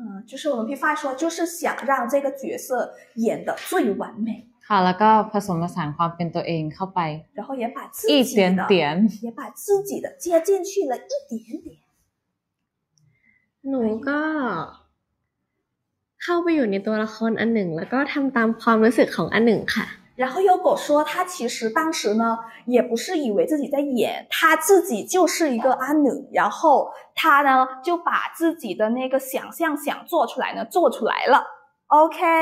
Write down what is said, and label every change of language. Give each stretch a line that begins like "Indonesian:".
Thai: จุดที่ผม
Chinese: พี่ฝ้าย说就是想让这个角色演得最完美
Thai: ค่ะแล้วก็ผสมผสานความเป็นตัวเองเข้าไป
Chinese: 然后也把自己的一点点也把自己的接进去了一点点
Thai: หนูก็เข้าไปอยู่ในตัวละครอันหนึ่งแล้วก็ทำตามความรู้สึกของอันหนึ่งค่ะ
Chinese: 然后有狗说他其实当时呢也不是以为自己在演他自己就是一个阿女然后他呢就把自己的那个想象想做出来呢做出来了 OK